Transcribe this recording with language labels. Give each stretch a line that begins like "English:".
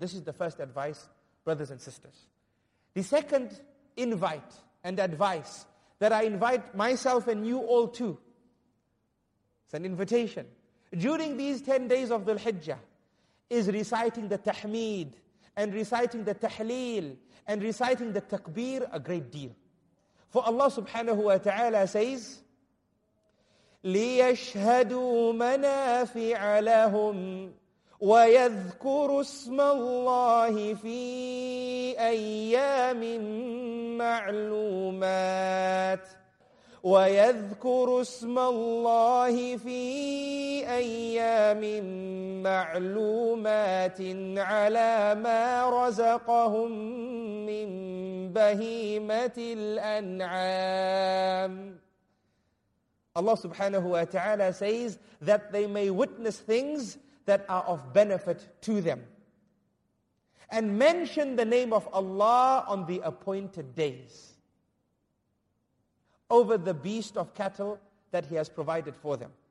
English: This is the first advice, brothers and sisters. The second invite and advice that I invite myself and you all to, it's an invitation, during these 10 days of Dhul Hijjah, is reciting the tahmeed and reciting the tahleel and reciting the takbir a great deal. For Allah subhanahu wa ta'ala says,
Arabic: لِيَشْهَدُوا مَنَافِعَ لَهُمْ وَيَذْكُرُوا اسْمَ اللَّهِ فِي أَيَّامٍ مَعْلُومَاتٍ وَيَذْكُرُوا اسْمَ اللَّهِ فِي أَيَّامٍ مَعْلُومَاتٍ عَلَى مَا رَزَقَهُمْ مِنْ بَهِيمَةِ الْأَنْعَامِ.
English: Allah subhanahu wa ta'ala says that they may witness things that are of benefit to them. And mention the name of Allah on the appointed days over the beast of cattle that He has provided for them.